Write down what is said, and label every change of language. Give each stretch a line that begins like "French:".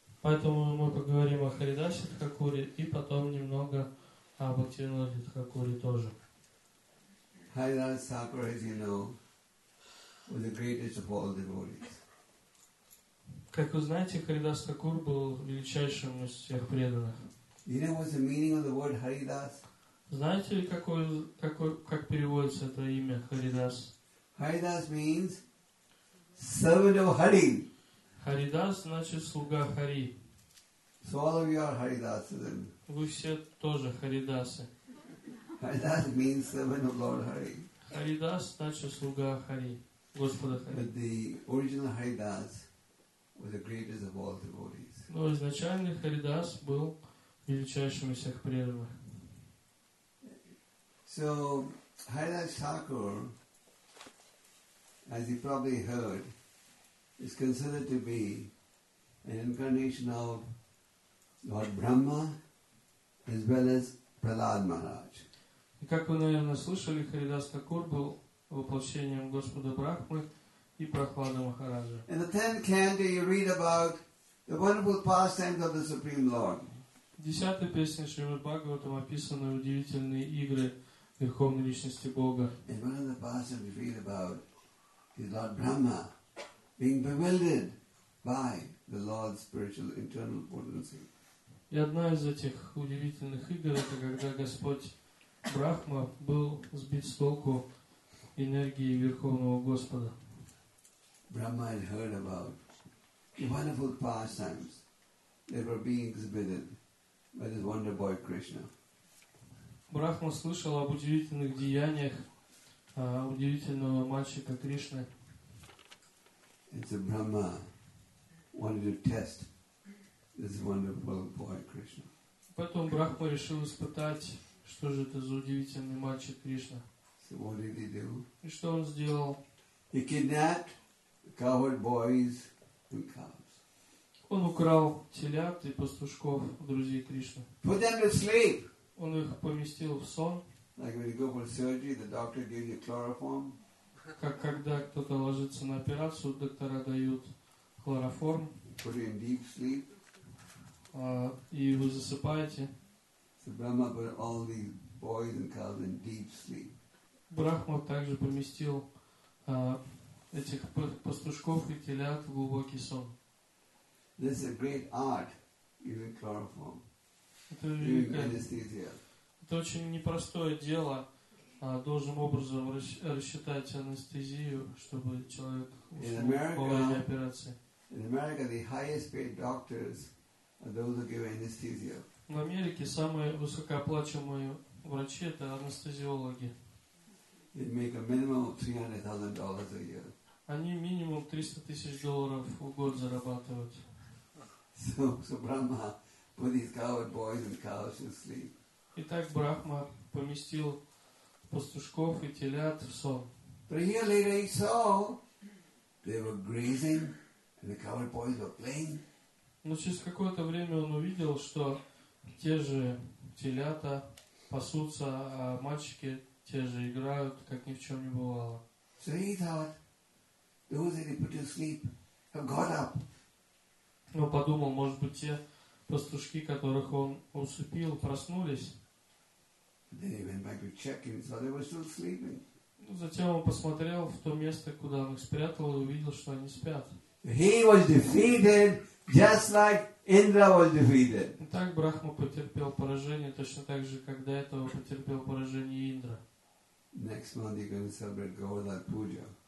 Russian: Поэтому мы поговорим о Харидасе Тхакуре и потом немного о Бхактивинода Тхакуре тоже.
English: Харидасе Тхакуре, as you know, was the greatest of all devotees.
Russian: Как вы знаете, Харидас Такур был величайшим из всех преданных.
English: You know what's the meaning of the word Haridas?
Russian: Знаете ли, как переводится это имя Харидас?
English: Haridas means servant of Hari.
Russian: Харидас значит слуга Хари.
English: So all of you are Haridas then.
Russian: Вы все тоже Харидасы.
English: Haridas means servant of Lord Hari.
Russian: Харидас значит слуга Хари. Господа Хари.
English: But the original Haridas was the greatest of all devotees.
Russian: Но изначальный Харидас был величайшими всех преданных.
English: So, Haridas Thakur, as you probably heard, is considered to be an incarnation of Lord Brahma as well as Prahlad Maharaj.
Russian: И как вы, наверное, слышали, Харидас Такур был воплощением Господа Брахмы и Прахлада Махараджа.
English: In the 10th canto, you read about the wonderful pastimes of the Supreme Lord.
Russian: В 10-й песне Шримад Бхагаватам описаны удивительные игры Верховной Личности Бога.
English: In one of the pastimes, you read about his Lord Brahma being bewildered by the Lord's spiritual internal potency.
Russian: И одна из этих удивительных игр, это когда Господь Брахма был сбит с толку энергией Верховного Господа.
English: Brahma had heard about the wonderful pastimes that were being exhibited by this wonder boy Krishna.
Russian: Брахма слышал об удивительных деяниях удивительного мальчика Кришны.
English: And so Brahma wanted to test this wonderful boy Krishna.
Russian: Потом Брахма решил испытать, что же это за удивительный мальчик Кришна?
English: So what did he do?
Russian: И что он сделал?
English: He kidnapped cowherd boys and cows.
Russian: Он украл телят и пастушков друзей Кришны.
English: Put them to sleep.
Russian: Он их поместил в сон.
English: Like when you go for surgery, the doctor gives you chloroform.
Russian: Как когда кто-то ложится на операцию, доктора дают хлороформ.
English: Put you in deep sleep.
Russian: И вы засыпаете.
English: So Brahma put all these boys and cows in deep sleep.
Russian: Брахма также поместил этих пастушков и телят в глубокий сон.
English: This is a great art, even chloroform, even anesthesia.
Russian: Это очень непростое дело, должным образом рассчитать анестезию, чтобы человек уснул во время операции.
English: In America, the highest paid doctors are those who give anesthesia.
Russian: В Америке самые высокооплачиваемые врачи – это анестезиологи.
English: They make a minimum of $300,000 a year.
Russian: Они минимум $300,000 в год зарабатывают.
English: So Brahma put these coward boys and cows to sleep.
Russian: Итак, Брахма поместил пастушков и телят в сон.
English: But here later he saw they were grazing and the coward boys were playing.
Russian: Но через какое-то время он увидел, что те же телята пасутся, а мальчики те же играют, как ни в чем не бывало.
English: So he thought, those that he put to sleep have got up.
Russian: Он подумал, может быть, те пастушки, которых он усыпил, проснулись.
English: Then he went back to check and saw they were still sleeping.
Russian: Затем он посмотрел в то место, куда он их спрятал, и увидел, что они спят.
English: He was defeated, just like Indra was defeated.
Russian: Так Брахма потерпел поражение, точно так же, как до этого потерпел поражение Индра.
English: Next month you're going to celebrate Govardhana Puja.